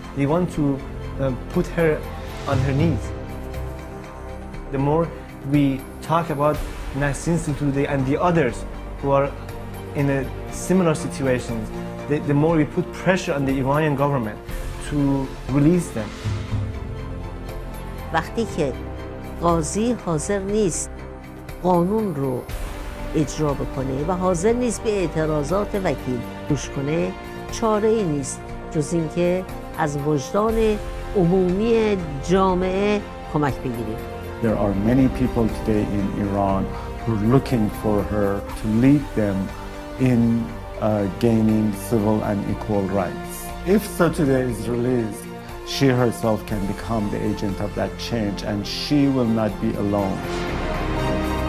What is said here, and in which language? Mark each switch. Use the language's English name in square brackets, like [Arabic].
[English] They want to put her on her knees. The more we talk about Nasrin Sotoudeh and the others who are in a similar situation, the more we put pressure on the Iranian government to release them. [Persian] وقتی که قاضی حاضر نیست قانون رو اجرا بکنه و حاضر نیست به اعتراضات وکیل گوش کنه، چاره ای نیست جز اینکه از وجدان عمومی جامعه کمک بگیریم. [English] There are many people today in Iran who are looking for her to lead them in gaining civil and equal rights. If Sotoudeh is released, she herself can become the agent of that change, and she will not be alone.